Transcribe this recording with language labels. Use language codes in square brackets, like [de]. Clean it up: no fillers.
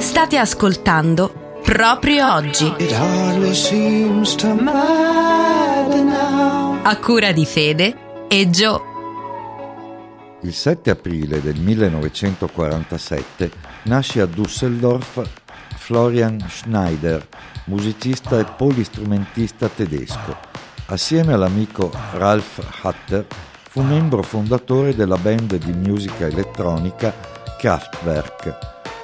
[it] State ascoltando Proprio Oggi. [en] It hardly seems to matter now. [it] A cura di Fede e Gio. Il 7 aprile del 1947 nasce a Düsseldorf Florian Schneider, musicista e polistrumentista tedesco. Assieme all'amico Ralf Hatter fu membro fondatore della band di musica elettronica Kraftwerk.